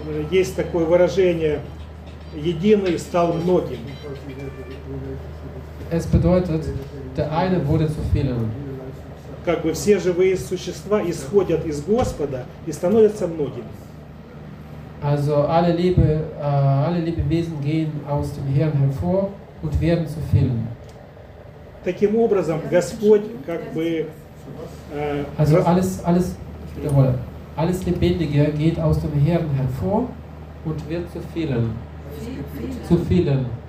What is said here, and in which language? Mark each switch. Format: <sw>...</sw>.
<ru>Есть такое выражение: единый стал многим.</ru> <de>Es bedeutet, der eine wurde zu vielen.</de> <ru>Как бы все живые существа исходят из Господа и становятся многим.</ru> <de>Also alle Lebewesen gehen aus dem Herrn hervor und werden zu vielen.</de> <ru>Таким образом, Господь как бы</ru> <de>Alles Lebendige geht aus dem Herrn hervor und wird zu vielen. Zu vielen.</de>